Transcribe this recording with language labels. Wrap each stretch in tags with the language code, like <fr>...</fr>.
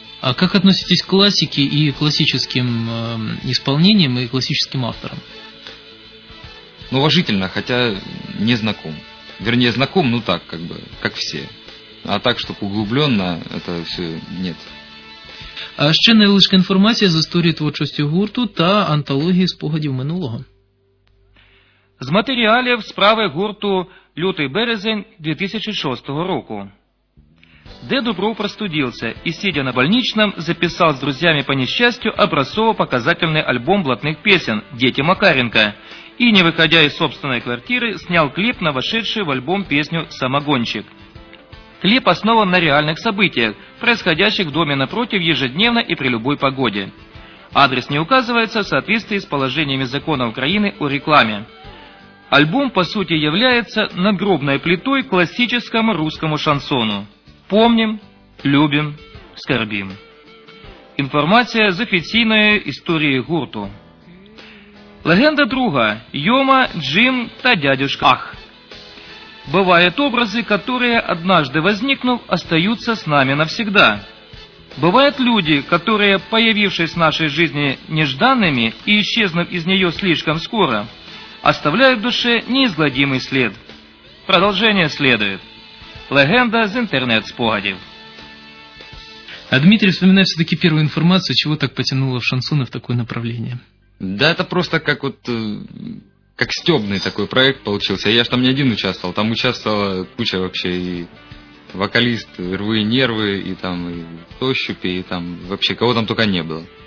<ru>А как относитесь к классике и классическим исполнениям и классическим авторам? Ну, уважительно, хотя не знаком. Вернее, знаком, ну так, как бы, как все. А так, чтобы углубленно, это все нет.</ru> <uk>А ще невеличка інформація з історії творчості гурту та антології спогадів минулого. З матеріалів справи гурту «Лютий-березень» 2006 року.</uk> <ru>Деду Бру простудился и, сидя на больничном, записал с друзьями по несчастью образцово-показательный альбом блатных песен «Дети Макаренко» и, не выходя из собственной квартиры, снял клип на вошедшую в альбом песню «Самогонщик». Клип основан на реальных событиях, происходящих в доме напротив ежедневно и при любой погоде. Адрес не указывается в соответствии с положениями закона Украины о рекламе. Альбом, по сути, является нагробной плитой классическому русскому шансону. Помним, любим, скорбим.</ru> <uk>Інформація з офіційної історії гурту. Легенда друга. Йома, Джим та дядюшка Ах.</uk> <ru>Бывают образы, которые, однажды возникнув, остаются с нами навсегда. Бывают люди, которые, появившись в нашей жизни нежданными и исчезнув из нее слишком скоро, оставляют в душе неизгладимый след. Продолжение следует. Легенда из интернет-спогадів. А Дмитрий вспоминает все-таки первую информацию, чего так потянуло в шансоны в такое направление. Да это просто как вот... как стебный такой проект получился. Я же там не один участвовал, там участвовала куча вообще и вокалист, и «Рвы и нервы», и там и «Тощупи», и там вообще кого там только не было.</ru>